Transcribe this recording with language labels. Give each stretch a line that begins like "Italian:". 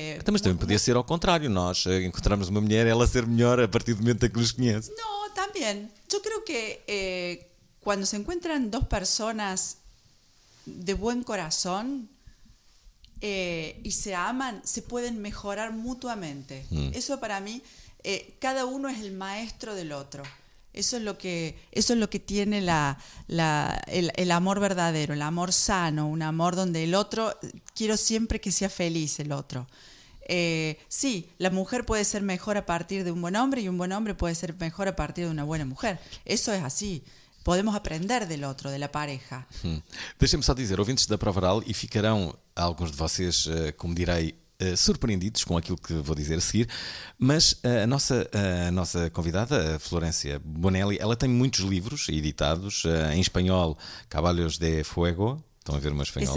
Portuguese: Mas também podia ser ao contrário. Nós encontramos uma mulher, ela ser melhor a partir do momento em que nos conhece. Não, também. Eu creio que quando se encontram duas pessoas de bom coração,
Spanish: y se aman, se pueden mejorar mutuamente. Eso para mí, cada uno es el maestro del otro. Eso es lo que tiene el amor verdadero, el amor sano, un amor donde el otro, quiero siempre que sea feliz el otro. Sí, la mujer puede ser mejor a partir de un buen hombre y un buen hombre puede ser mejor a partir de una buena mujer. Eso es así. Podemos aprender del outro,
Portuguese: da
Spanish: pareja.
Portuguese: Deixem-me só dizer, ouvintes da Provaral, e ficarão alguns de vocês, como direi, surpreendidos com aquilo que vou dizer a seguir, mas a nossa convidada, Florencia Bonelli, ela tem muitos livros editados, em espanhol, Caballos de Fuego. Estão a ver o meu espanhol?